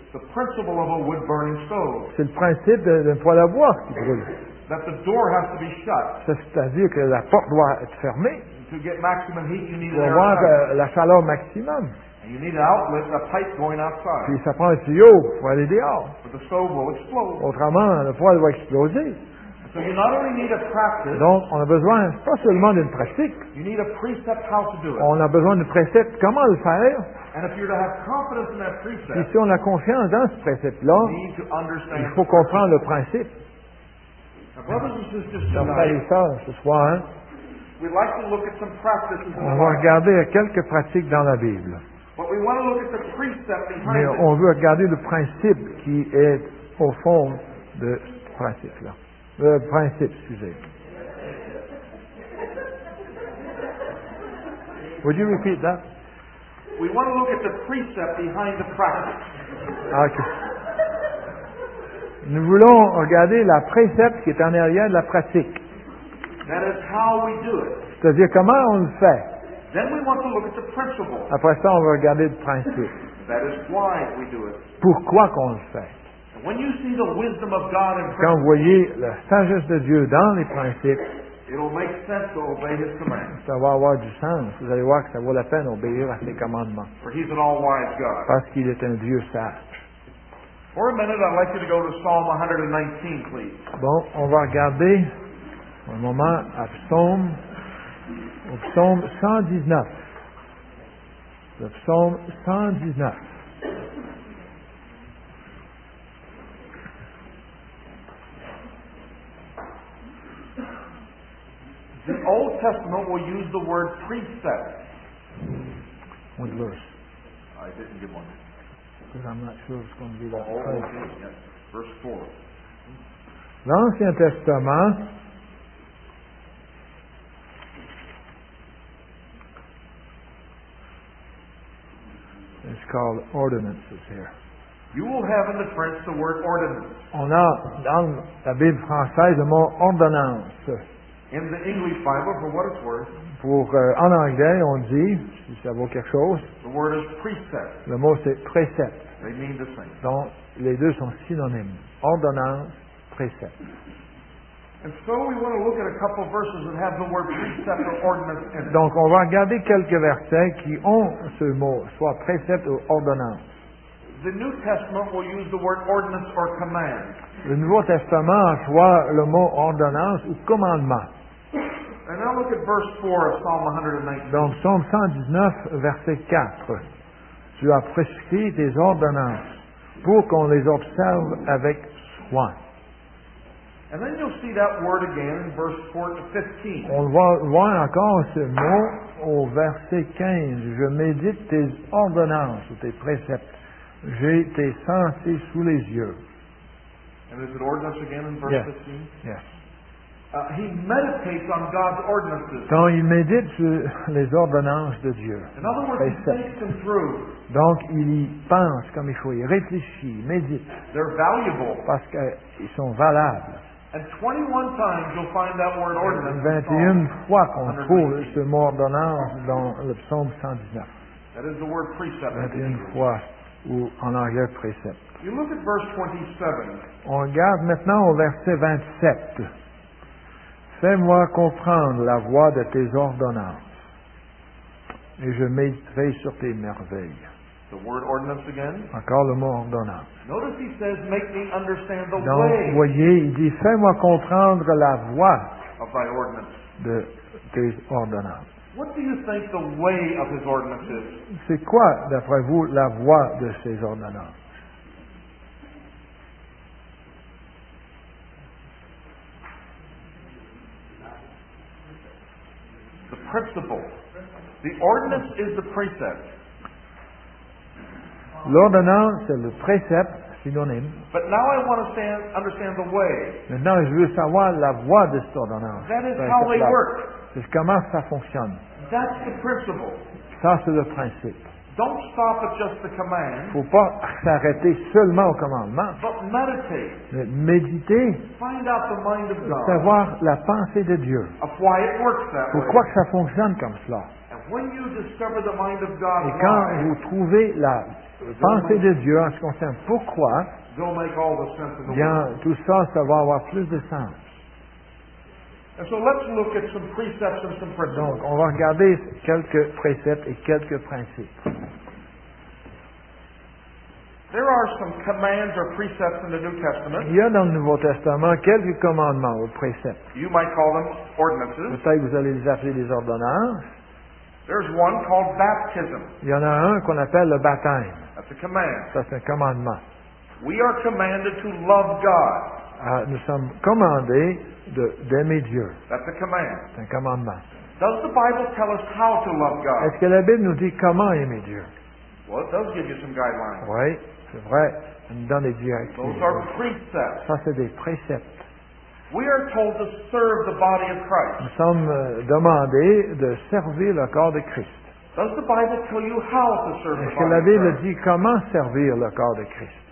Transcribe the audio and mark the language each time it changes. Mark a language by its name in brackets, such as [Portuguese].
[English] The principle of a wood-burning stove. [French] C'est le principe d'un poêle à bois qui brûle. [English] That the door has to be shut. [French] C'est-à-dire que la porte doit être fermée. [English] To get maximum heat, you need [French] pour avoir la chaleur maximum. [English] And you need an outlet, a pipe going outside. [French] Puis ça prend un tuyau pour aller dehors. [English] But the stove will explode. [French] Autrement, le poêle va exploser. [English] So you not only need a practice, [French] donc, on a besoin pas seulement d'une pratique. [English] You need a precept how to do it. [French] On a besoin de préceptes comment le faire. [English] And if you're to have confidence in that precept, [French] et si on a confiance dans ce précepte-là, il faut comprendre le principe. [English] Now, brothers and sisters, tonight, [French] les soeurs, ce soir, hein, [English] we'd like to look at some practices in the [French] on va regarder quelques pratiques dans la Bible. [English] But we want to look at the precept behind [French] mais [English] it. [French] On veut regarder le principe qui est au fond de ce principe-là. Le principe, excusez. [English] Would you repeat that? We want to look at the precept behind the practice. Okay. [French] Nous voulons regarder la précepte qui est en arrière de la pratique. [English] That is how we do it. [French] C'est-à-dire comment on le fait. [English] Then we want to look at the principle. [French] Après ça, on va regarder le principe. [English] That is why we do it. [French] Pourquoi qu'on le fait. [English] When you see the wisdom of God in [French] quand vous voyez la sagesse de Dieu dans les principes, [English] it'll make sense to obey his commands. [French] Ça va avoir du sens. Vous allez voir que ça vaut la peine d'obéir à ses commandements. [English] For he's an all-wise God. [French] Parce qu'il est un Dieu sage. For a minute, I'd like you to go to Psalm 119, please. Bon, on va regarder un moment à Psaume, au Psaume 119. Le Psaume 119. [English] The Old Testament will use the word precept. One verse. I didn't get one. Because I'm not sure it's going to be that old. Okay. Yes. Verse 4. L'Ancien Testament is called ordinances here. You will have in the French the word ordinance. [French] On a dans la Bible française le mot ordonnance. [English] In the English Bible, for what it's worth, [French] pour en anglais, on dit, si ça vaut quelque chose, [English] the word is precept. [French] Le mot c'est précepte. [English] They mean the same. [French] Donc, les deux sont synonymes. Ordonnance, précepte. [English] And so we want to look at a couple of verses that have the word precept or ordinance in it. [French] Donc, on va regarder quelques versets qui ont ce mot, soit précepte ou ordonnance. [English] The New Testament will use the word ordinance or command. [French] Le Nouveau Testament emploie le mot ordonnance ou commandement. [English] And now look at verse 4 of Psalm 119. [French] Donc, Psaume 119, verset 4. Tu as prescrit tes ordonnances pour qu'on les observe avec soin. [English] And then you'll see that word again in verse 4 to 15. [French] On va voir encore ce mot au verset 15. Je médite tes ordonnances ou tes préceptes. J'ai tes sentiers sous les yeux. [English] And is it ordinance again in verse 15? Yes. He meditates on God's ordinances. [French] Donc, il médite sur les ordonnances de Dieu. [English] In other words, [French] précepte. [English] He thinks them through. [French] Donc, il y pense comme il faut. Il réfléchit, il médite. [English] They're valuable. [French] Parce qu'ils sont valables. [English] And 21 times you'll find that word ordinance. [French] 21 fois qu'on trouve ce mot ordonnance dans le psaume 119. [English] That is the word precept. [French] 21 fois ou en arrière précepte. [English] You look at verse 27. [French] On regarde maintenant au verset 27. Fais-moi comprendre la voie de tes ordonnances, et je méditerai sur tes merveilles. [English] The word ordinance again. [French] Encore le mot ordonnance. [English] Notice he says, make me understand the [French] donc, [English] way. [French] Voyez, il dit, fais-moi comprendre la voie [English] of thy ordinance. [French] De tes ordonnances. [English] What do you think the way of his ordinance is? [French] C'est quoi, d'après vous, la voie de ses ordonnances? [English] Principle. The ordinance is the precept. [French] L'ordonnance, c'est le précepte, synonyme. [English] But now I want to understand the way. [French] Maintenant, je veux savoir la voie de cette ordonnance. [English] That is how they work. [French] C'est comment ça fonctionne. [English] That's the principle. [French] Ça, c'est le principe. [English] Don't stop at just the command. [French] Faut pas s'arrêter seulement au commandement. [English] But meditate. [French] Mais méditer. [English] Find out the mind of God. [French] Savoir la pensée de Dieu. [English] Of why it works that way. [French] Pourquoi ça fonctionne comme cela. [English] And when you discover the mind of God, [French] et quand vous trouvez la pensée de Dieu en ce qui concerne pourquoi, [English] they'll make all the sense in the [French] bien, [English] world. [French] Tout ça, ça va avoir plus de sens. [English] And so let's look at some precepts and some principles. [French] Donc, on va regarder quelques préceptes et quelques principes. [English] There are some commands or precepts in the New Testament. [French] Il y a dans le Nouveau Testament quelques commandements ou préceptes. [English] You might call them ordinances. [French] Peut-être que vous allez les appeler des ordonnances. [English] There's one called baptism. [French] Il y en a un qu'on appelle le baptême. [English] That's a command. [French] Ça, c'est un commandement. [English] We are commanded to love God. [French] Nous sommes commandés d'aimer Dieu. [English] That's a command. [French] C'est un commandement. [English] Does the Bible tell us how to love God? [French] Est-ce que la Bible nous dit comment aimer Dieu? [English] Well, it does give you some guidelines. [French] Oui, c'est vrai. Ça nous donne des directives. [English] Those are precepts. [French] Ça, c'est des préceptes. [English] We are told to serve the body of Christ. [French] Nous sommes demandés de servir le corps de Christ. [English] Does the Bible tell you how to serve [French] Est-ce que la Bible dit comment servir le corps de Christ?